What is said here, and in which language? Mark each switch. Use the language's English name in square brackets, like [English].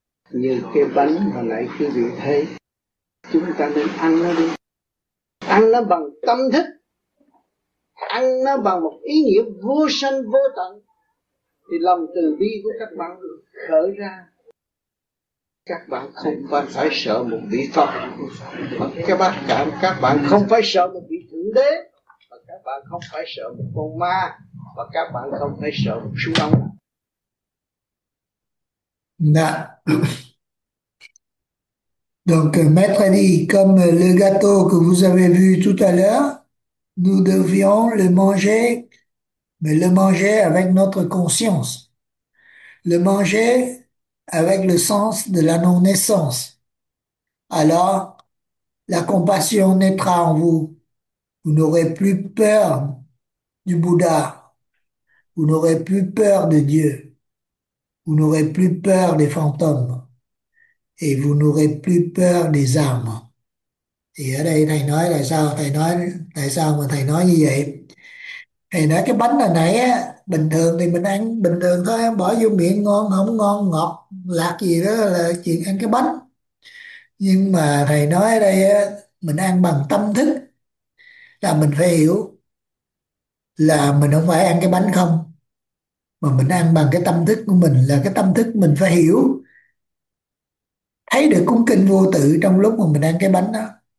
[Vietnamese] Nhiều cái bánh mà lại khi bị thấy chúng ta nên ăn nó đi, ăn nó bằng tâm thức, ăn nó bằng một ý nghĩa vô sanh vô tận, thì lòng từ bi của các bạn khởi ra. Các bạn không phải sợ một vị Phật, các bạn cảm các bạn không phải sợ một vị Thượng Đế, và các bạn không phải sợ một con ma, và các bạn không phải sợ một chú ông. Là. [French] Donc, Maître a dit, comme le gâteau que vous avez vu tout à l'heure, nous devions le manger, mais le manger avec notre conscience, le manger avec le sens de la non-naissance. Alors, la compassion naîtra en vous. Vous n'aurez plus peur du Bouddha. Vous n'aurez plus peur de Dieu. Vous n'aurez plus peur des fantômes et vous n'aurez plus peur des âmes. [Vietnamese] Thì ở đây thầy nói là sao thầy nói, tại sao mà thầy nói như vậy? Thầy nói cái bánh là nãy á, bình thường thì mình ăn bình thường thôi, em bỏ vô miệng ngon không ngon, ngọt lạt gì đó là chuyện ăn cái bánh. Nhưng mà thầy nói đây á, mình ăn bằng tâm thức là mình phải hiểu là mình không phải ăn cái bánh không, mà mình ăn bằng cái tâm thức của mình, là cái tâm thức mình phải hiểu, thấy được cung kính vô tự trong lúc mà mình ăn cái bánh đó.